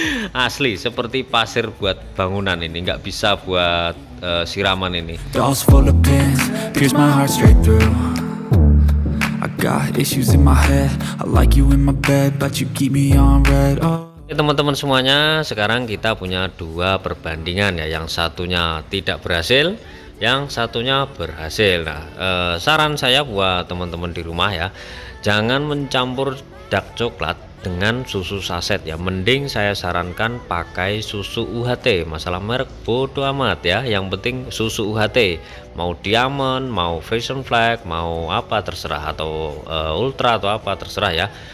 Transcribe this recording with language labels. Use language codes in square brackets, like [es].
[id] Asli, seperti pasir buat bangunan ini, nggak bisa buat siraman ini. [en] Dolls full of pins, pierce my heart straight through. I got issues in my head, I like you in my bed, but you keep me on red. [id] Oke teman-teman semuanya, sekarang kita punya dua perbandingan ya, yang satunya tidak berhasil, yang satunya berhasil. Nah, saran saya buat teman-teman di rumah ya, jangan mencampur dark coklat dengan susu saset ya, mending saya sarankan pakai susu UHT, masalah merek bodo amat ya, yang penting susu UHT, mau Diamond, mau Fashion Flag, mau apa terserah, atau Ultra atau apa terserah ya.